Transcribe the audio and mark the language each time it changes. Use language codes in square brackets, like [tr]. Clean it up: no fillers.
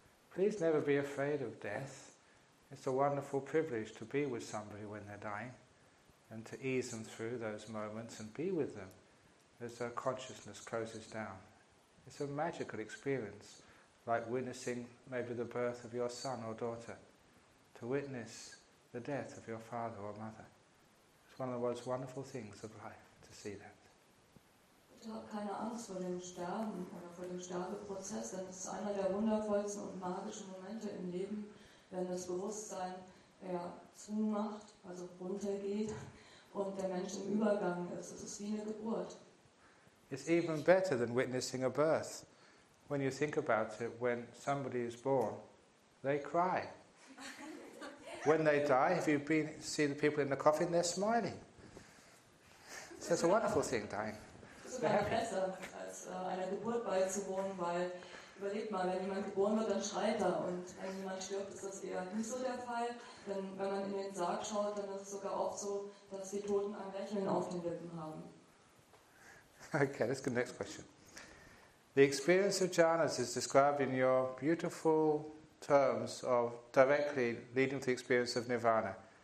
[en] Please never be afraid of death. It's a wonderful privilege to be with somebody when they're dying and to ease them through those moments and be with them as their consciousness closes down. It's a magical experience. Like witnessing maybe the birth of your son or daughter, to witness the death of your father or mother. It's It's one of the most wonderful things of life to see that. [de] Ich habe keine Angst vor dem Sterben oder vor dem Sterbeprozess, denn es ist einer der wundervollsten und magischen Momente im Leben, wenn das Bewusstsein zumacht, also runtergeht und der Mensch im Übergang ist. Es ist wie eine Geburt. [en] It's even better than witnessing a birth. When you think about it, when somebody is born, they cry. When they die, if you see the people in the coffin, they're smiling. So it's a wonderful thing, dying. [de] Es ist sogar besser, als einer Geburt beizuwohnen, weil, überlegt mal, wenn jemand geboren wird, dann schreit er. Und wenn jemand stirbt, ist das eher nicht so der Fall. Denn wenn man in den Sarg schaut, dann ist es sogar oft so, dass die Toten ein Lächeln auf den Lippen haben. [en] Okay, let's go to the next question. The experience of jhanas is described in your beautiful terms of directly leading to the experience of nirvana.